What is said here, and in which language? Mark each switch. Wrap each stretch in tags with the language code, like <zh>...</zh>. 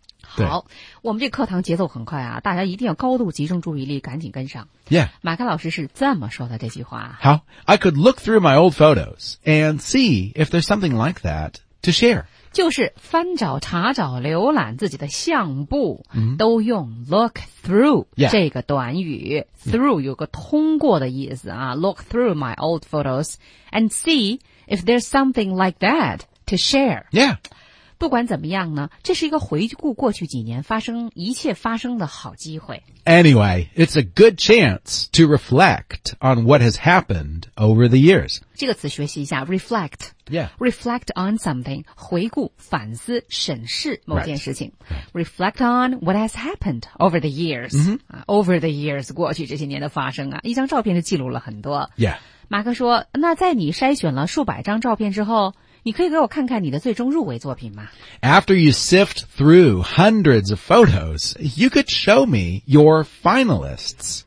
<zh>好我们这课堂节奏很快啊大家一定要高度集中注意力赶紧跟上。</zh> <en>Yeah.</en> <zh>马克老师是这么说的这句话。好</zh> <en>,I could look through my old photos and see if there's something like that to share.</en> <zh>就是翻找查找浏览自己的相簿、</zh> <en>mm-hmm.</en> <zh>都用 look through、</zh> <en>yeah.</en> <zh>这个短语 through 有个通过的意思啊 ,</zh> <en>look through my old photos and see if there's something like that to share. Yeah.</en> <zh>不管怎么样呢，这是一个回顾过去几年发生一切发生的好机会。</zh> <en>Anyway, it's a good chance to reflect on what has happened over the years.</en> <zh>这个词学习一下 reflect.</zh> <en>Yeah. Reflect on something,</en> <zh>回顾、反思、审视某件事情。</zh> <en>Right. Reflect on what has happened over the years.、 Mm-hmm.</en> <zh>Over the years, 过去这些年的发生啊，一张照片就记录了很多。</zh> <en>Yeah.</en> <zh>马克说，那在你筛选了数百张照片之后，你可以给我看看你的最终入围作品吗？</zh> <en>After you sift through hundreds of photos, you could show me your finalists.</en>